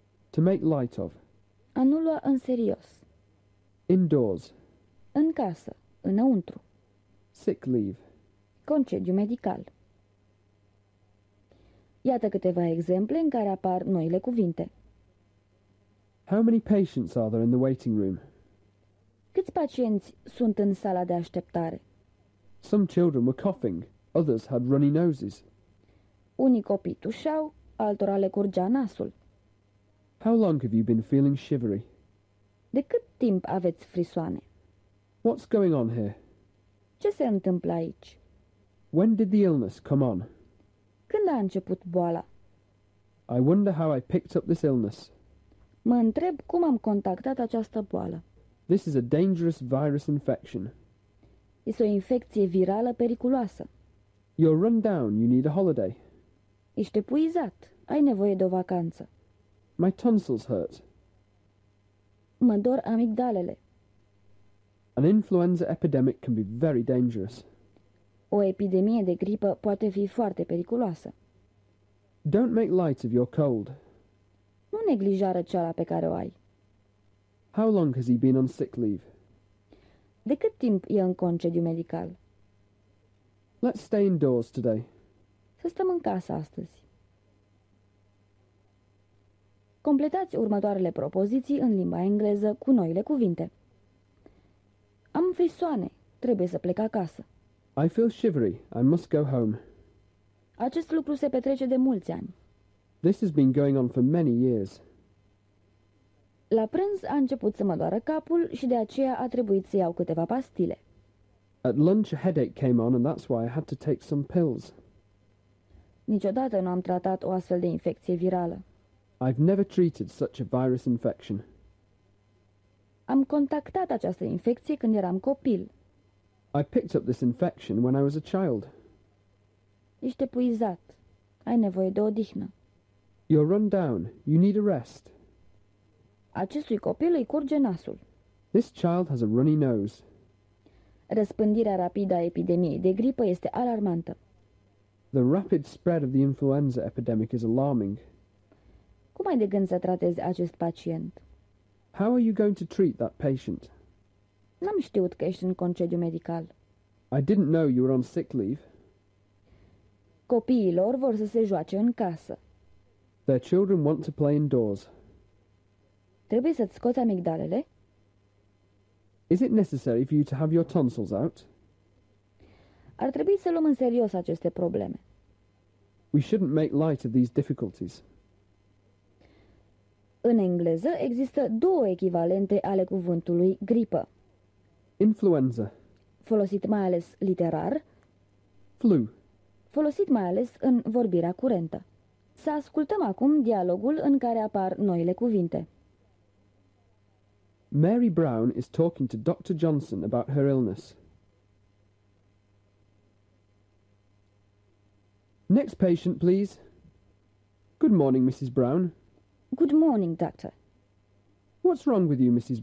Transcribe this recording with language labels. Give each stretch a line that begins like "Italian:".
English: To make light of.
Romanian: A nu lua în serios.
English: Indoors.
Romanian: În casă, înăuntru.
English: Sick leave.
Romanian: Concediu medical. Iată câteva exemple în care apar noile cuvinte.
English: How many patients are there in the waiting room?
Romanian: Câți pacienți sunt în sala de așteptare?
English: Some children were coughing, others had runny noses.
Romanian: Unii copii tușeau, altora le curgea nasul.
English: How long have you been feeling shivery?
Romanian: De cât timp aveți frisoane?
English: What's going on here?
Romanian: Ce se întâmplă aici?
English: When did the illness come on?
Romanian: Când a început boala?
English: I wonder how I picked up this illness.
Romanian: Mă întreb cum am contactat această boală.
English: This is a dangerous virus infection.
Romanian: Este o infecție virală periculoasă.
English: You're run down, you need a holiday.
Romanian: Ești epuizat, ai nevoie de o vacanță.
English: My tonsils hurt.
Romanian: Mă dor amigdalele.
English: An influenza epidemic can be very dangerous.
Romanian: O epidemie de gripă poate fi foarte periculoasă.
English: Don't make light of your cold.
Romanian: Nu neglija răceala pe care o ai.
English: How long has he been on sick leave?
Romanian: De cât timp e în concediu medical?
English: Let's stay indoors today.
Romanian: Să stăm în casă astăzi. Completați următoarele propoziții în limba engleză cu noile cuvinte. Am frisoane, trebuie să plec acasă.
English: I feel shivery, I must go home.
Romanian: Acest lucru se petrece de mulți ani.
English: This has been going on for many years.
Romanian: La prânz a început să mă doară capul și de aceea a trebuit să iau câteva pastile.
English: At lunch a headache came on and that's why I had to take some pills.
Romanian: Niciodată nu am tratat o astfel de infecție virală.
English: I've never treated such a virus infection.
Romanian: Am contactat această infecție când eram copil.
English: I picked up this infection when I was a child.
Romanian: Ești epuizat. Ai nevoie de odihnă.
English: You're run down. You need a rest.
Romanian: Acestui copil îi curge nasul.
English: This child has a runny nose.
Romanian: Răspândirea rapidă a epidemiei de gripă este alarmantă.
English: The rapid spread of the influenza epidemic is alarming.
Romanian: Cum ai de gând să tratezi acest pacient?
English: How are you going to treat that patient?
Romanian: N-am știut că ești în concediu medical.
English: I didn't know you were on sick leave.
Romanian: Copiilor vor să se joace în casă.
English: Their children want to play indoors.
Romanian: Trebuie să-ți scoți amigdalele?
English: Is it necessary for you to have your tonsils out?
Romanian: Ar trebui să luăm în serios aceste probleme.
English: We shouldn't make light of these difficulties.
Romanian: În engleză există două echivalente ale cuvântului gripă.
English: Influenza.
Romanian: Folosit mai ales literar.
English: Flu.
Romanian: Folosit mai ales în vorbirea curentă. Să ascultăm acum dialogul în care apar noile cuvinte.
English: Mary Brown is talking to Dr. Johnson about her illness. Next patient, please. Good morning, Mrs. Brown. Good morning, Doctor. What's wrong with you, Mrs.